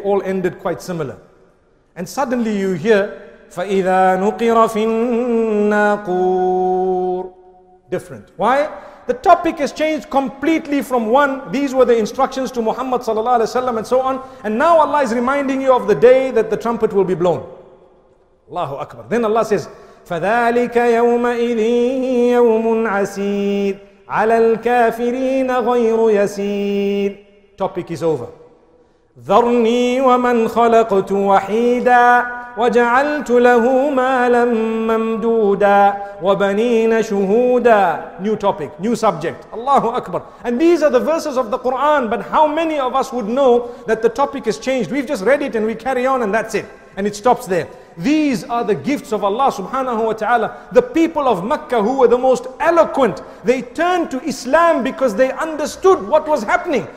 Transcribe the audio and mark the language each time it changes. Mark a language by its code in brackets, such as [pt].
[en] All ended quite similar. And suddenly you hear, [ar] فَإِذَا نُقِرَ فِي النَّاقُورِ. [en] Different. Why? The topic has changed completely from one. These were the instructions to Muhammad sallallahu alaihi wasallam and so on. And now Allah is reminding you of the day that the trumpet will be blown. [ar] Allahu Akbar. [en] Then Allah says, [ar] فَذَٰلِكَ يَوْمَئِذٍ يَوْمٌ عَسِيرٌ عَلَى الْكَافِرِينَ غَيْرُ يَسِيرٌ [en] Topic is over. [ar] ذَرْنِي وَمَنْ خَلَقْتُ وَحِيدًا وَجَعَلْتُ لَهُ مَالًا مَمْدُودًا وَبَنِينَ شُهُودًا [en] New topic, new subject. [ar] Allahu Akbar. [en] And these are the verses of the Quran, but how many of us would know that the topic has changed? We've just read it and we carry on and that's it. And it stops there. These are the gifts of Allah subhanahu wa ta'ala. The people of Mecca who were the most eloquent, they turned to Islam because they understood what was happening.